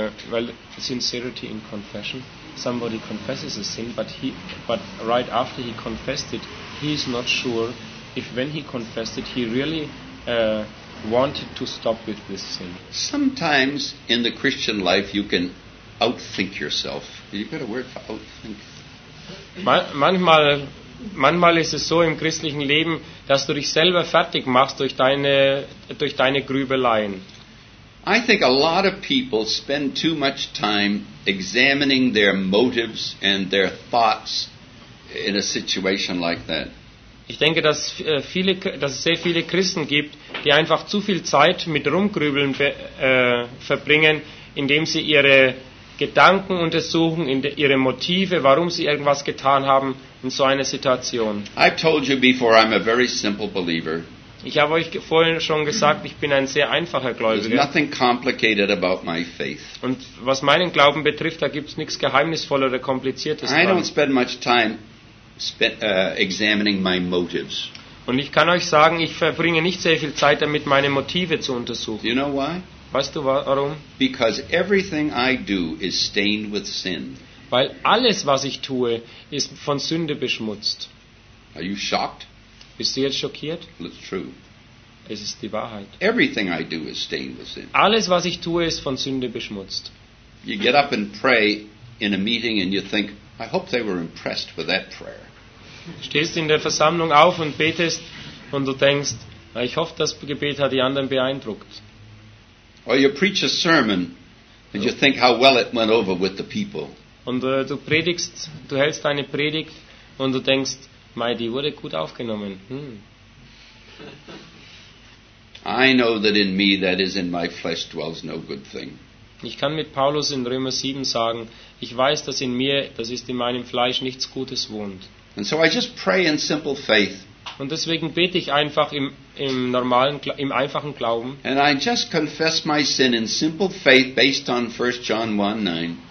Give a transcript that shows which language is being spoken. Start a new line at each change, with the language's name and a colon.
English: Weil sincerity in confession, somebody confesses a sin, but right after he confessed it, he is not sure if when he confessed it, he really wanted to stop with this sin. Sometimes in the Christian life you can outthink yourself. You've got a word for outthink.
German: Manchmal ist es so im christlichen Leben, dass du dich selber fertig machst durch deine Grübeleien.
English: I think a lot of people spend too much time examining their motives and their thoughts in a situation like that.
German: Ich denke, dass es sehr viele Christen gibt, die einfach zu viel Zeit mit Rumgrübeln verbringen, indem sie ihre Gedanken untersuchen, ihre Motive, warum sie irgendwas getan haben in so einer Situation.
English: I've told you before, I'm a very simple believer.
German: Ich habe euch vorhin schon gesagt, ich bin ein sehr einfacher Gläubiger.
English: There's nothing complicated about my faith.
German: Und was meinen Glauben betrifft, da gibt es nichts Geheimnisvolles oder Kompliziertes.
English: I don't spend much time examining my motives.
German: Und ich kann euch sagen, ich verbringe nicht sehr viel Zeit damit, meine Motive zu untersuchen.
English: Do you know why?
German: Weißt du warum?
English: Because everything I do is stained with sin.
German: Weil alles, was ich tue, ist von Sünde beschmutzt.
English: Are you shocked?
German: Bist du jetzt schockiert?
English: It's true.
German: Es ist die Wahrheit.
English: Everything I do is stained with sin.
German: Alles, was ich tue, ist von Sünde beschmutzt.
English: You get up and pray in a meeting and you think, I hope they were impressed with that prayer.
German: Stehst in der Versammlung auf und betest und du denkst, ich hoffe, das Gebet hat die anderen beeindruckt.
English: Or you preach a sermon and you think how well it went over with the people.
German: Und du predigst, du hältst eine Predigt und du denkst, mei, die wurde gut aufgenommen.
English: I know that in me, that is in my flesh, dwells no good thing.
German: Ich kann mit Paulus in Römer 7 sagen, ich weiß, dass in mir, das ist in meinem Fleisch, nichts Gutes wohnt.
English: And so I just pray in simple faith.
German: Und deswegen bete ich einfach im einfachen Glauben.
English: And I just confess my sin in simple faith based on 1 John 1:9.